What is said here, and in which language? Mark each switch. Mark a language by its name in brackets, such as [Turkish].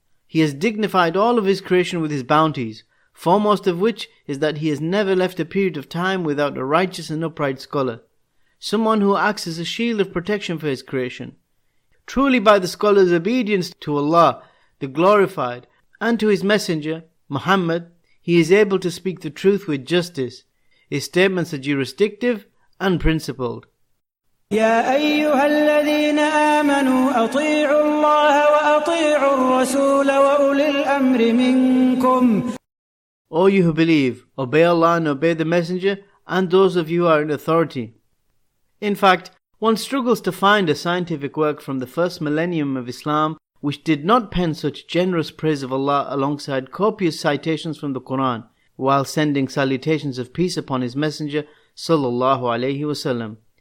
[English] He has dignified all of His creation with His bounties, foremost of which is that He has never left a period of time without a righteous and upright scholar, someone who acts as a shield of protection for His creation. Truly by the scholar's obedience to Allah, the Glorified, and to His Messenger, Muhammad, he is able to speak the truth with justice. His statements are jurisdictive and principled. [Arabic] يا أيها الذين آمنوا أطيعوا الله وأطيعوا الرسول وأولي الأمر منكم. [English] O you who believe, obey Allah and obey the Messenger and those of you who are in authority. In fact, one struggles to find a scientific work from the first millennium of Islam which did not pen such generous praise of Allah alongside copious citations from the Quran, while sending salutations of peace upon His Messenger, Sallallahu Alaihi Wasallam.